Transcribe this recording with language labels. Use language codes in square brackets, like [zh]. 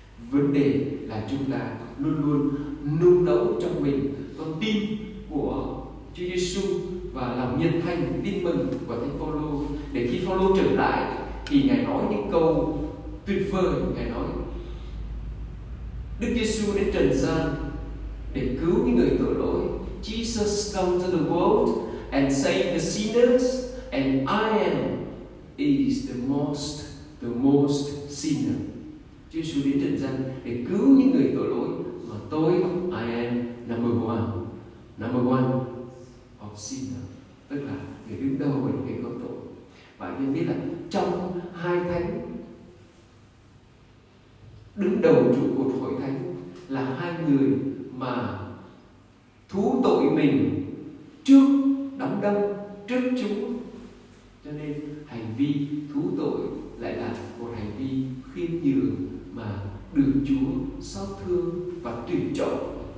[vi] Vấn đề là chúng ta luôn luôn nung nấu trong mình con tim của Chúa Giêsu và lòng nhiệt thành tin mừng của Thánh Phaolô, để khi Phaolô trở lại thì ngài nói những câu tuyệt vời. Ngài nói Đức Giêsu đến trần gian để cứu những người tội lỗi. [en] Jesus come to the world and save the sinners, and I am is the most sinner. [vi] Giêsu đến trần gian để cứu những người tội lỗi, mà tôi [en] I am number one of sinner, [vi] tức là người đứng đầu của những người có tội. Và nên biết là trong hai thánh đứng đầu trụ cột hội thánh là hai người mà thú tội mình trước đóng đâm trước chúng, cho nên hành vi thú tội lại là một hành vi khiêm nhường mà được Chúa xót thương và tuyển chọn.